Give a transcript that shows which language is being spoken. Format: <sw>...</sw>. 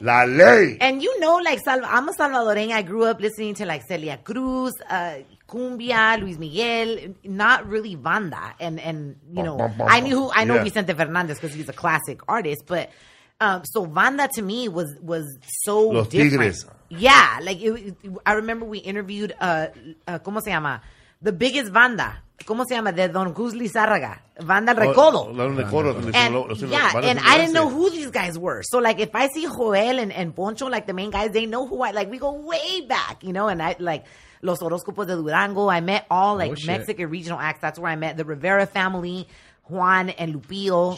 <es>La Ley.</es> <en>And you know, like, I'm a Salvadoran. I grew up listening to like Celia Cruz, Cumbia, Luis Miguel, not really banda. I know Vicente Fernandez because he's a classic artist. But so banda to me was so</en> <es>Los</es> <en>different.</en> <es>Tigres.</es> <en>Yeah. Like, I remember we interviewed,</en> <es>¿cómo se llama?</es> <en>The biggest banda.</en> <es>¿Cómo se llama? De Don Cruz Lizárraga. Banda El Recodo.</es> <en>I didn't know who these guys were. So, like, if I see Joel and Poncho, like, the main guys, they know who I, like, we go way back, you know? And I, like, Los Horóscopos de Durango, I met all, like, Mexican regional acts. That's where I met the Rivera family, Juan and Lupillo.</en>